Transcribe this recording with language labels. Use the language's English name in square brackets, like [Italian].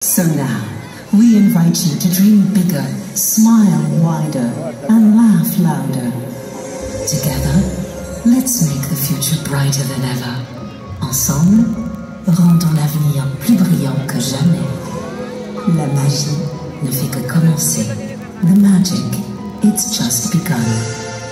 [English] So now, we invite you to dream bigger, smile wider, and laugh louder. Together, let's make the future brighter than ever. [French] Ensemble, rendons l'avenir plus brillant que jamais. La magie ne fait que commencer. [English] The magic, it's just begun.